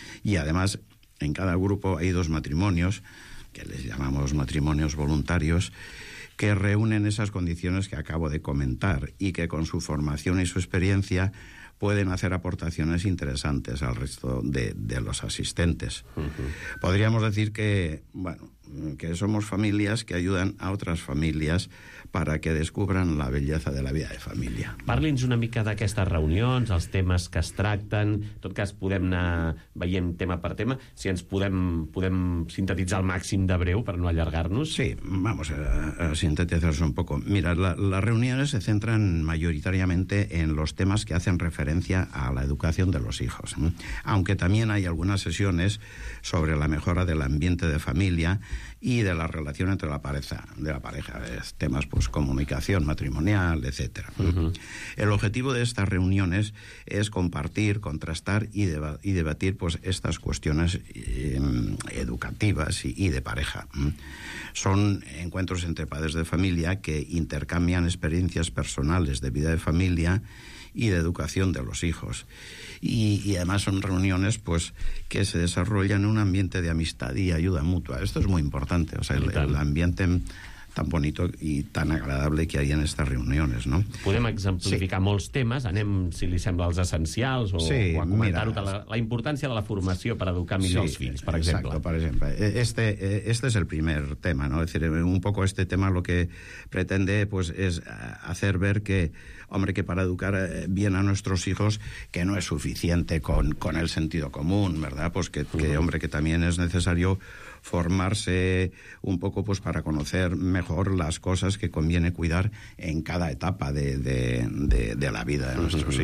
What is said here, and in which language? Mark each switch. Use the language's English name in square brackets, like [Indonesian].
[Spanish] Y además, en cada grupo hay 2 matrimonios, que les llamamos matrimonios voluntarios, que reúnen esas condiciones que acabo de comentar y que con su formación y su experiencia pueden hacer aportaciones interesantes al resto de los asistentes. Uh-huh. Podríamos decir que, bueno, que somos familias que ayudan a otras familias para que descubran la belleza de la vida de familia. [Catalan] Parli'ns una mica d'aquestes reunions, els temes que es tracten. En tot cas, podem anar veient tema per tema. Si ens podem sintetitzar al màxim de breu per no allargar-nos. [Spanish] Sí, vamos a sintetitzar-nos un poco. Mira, las reuniones se centran mayoritariamente en los temas que hacen referencia a la educación de los hijos. Aunque también hay algunas sesiones sobre la mejora del ambiente de familia y de la relación entre la pareja, temas pues comunicación matrimonial, etcétera. Uh-huh. El objetivo de estas reuniones es compartir, contrastar y debatir pues estas cuestiones educativas y de pareja. Son encuentros entre padres de familia que intercambian experiencias personales de vida de familia y de educación de los hijos. Y además son reuniones pues que se desarrollan en un ambiente de amistad y ayuda mutua. Esto es muy importante, o sea, el ambiente tan bonito y tan agradable que hay en estas reuniones, ¿no? [Catalan] Podem exemplificar sí. molts temes, anem, si li sembla, els essencials o, sí, o a comentar-ho, la importància de la formació per educar millor sí, els fills, per exemple. [Spanish] Exacto, por ejemplo. Este es el primer tema, ¿no? Es decir, un poco este tema lo que pretende pues es hacer ver que, hombre, que para educar bien a nuestros hijos, que no es suficiente con el sentido común, ¿verdad? Pues que, uh-huh. que, hombre, que también es necesario formarse un poco pues para conocer mejor las cosas que conviene cuidar en cada etapa de la vida de nuestros uh-huh.